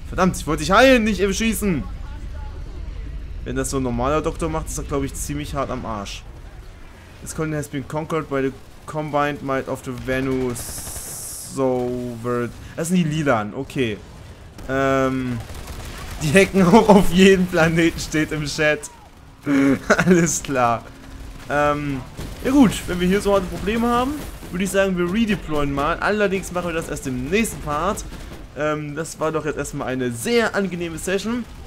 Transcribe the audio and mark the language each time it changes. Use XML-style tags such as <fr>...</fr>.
<de>Verdammt, ich wollte dich heilen, nicht eben schießen. Wenn das so ein normaler Doktor macht, ist das, glaube ich, ziemlich hart am Arsch.</de> <en>This content has been conquered by the combined might of the Venusovert.</en> <de>Das sind die Lilan, okay. Die hacken auch auf jeden Planeten, steht im Chat. Alles klar. Ja gut, wenn wir hier so harte Probleme haben, würde ich sagen, wir redeployen mal. Allerdings machen wir das erst im nächsten Part. Das war doch jetzt erstmal eine sehr angenehme Session.</de>